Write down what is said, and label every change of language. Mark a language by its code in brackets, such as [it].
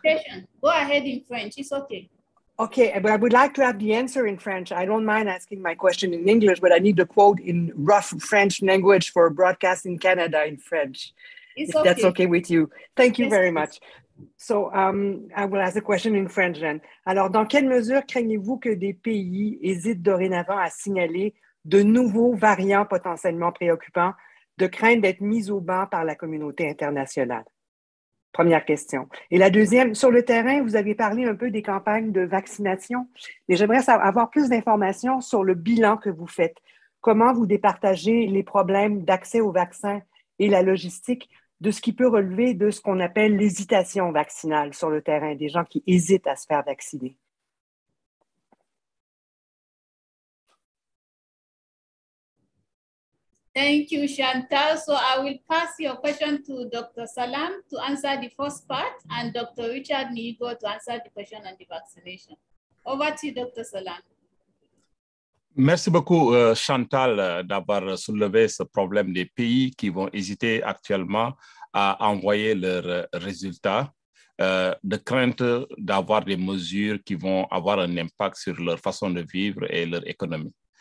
[en] Go ahead in French, it's okay. Okay, but I would like to have the answer in French. I don't mind asking my question in English, but I need the quote in rough French language for broadcast in Canada in French. if that's okay with you. Thank you very much. So, I will ask a question in French then. [fr] Alors, dans quelle mesure craignez-vous que des pays hésitent dorénavant à signaler de nouveaux variants potentiellement préoccupants de crainte d'être mis au banc par la communauté internationale? Première question. Et la deuxième, sur le terrain, vous avez parlé un peu des campagnes de vaccination, mais j'aimerais avoir plus d'informations sur le bilan que vous faites. Comment vous départagez les problèmes d'accès aux vaccins et la logistique de ce qui peut relever de ce qu'on appelle l'hésitation vaccinale sur le terrain, des gens qui hésitent à se faire vacciner? [en] Thank you, Chantal. So I will pass your question to Dr. Salam to answer the first part and Dr. Richard Niigo to answer the question on the vaccination. Over to you, Dr. Salam. [fr] Merci beaucoup, Chantal, d'avoir soulevé ce problème des pays qui vont hésiter actuellement à envoyer leurs résultats de crainte d'avoir des mesures qui vont avoir un impact sur leur façon de vivre et leur économie.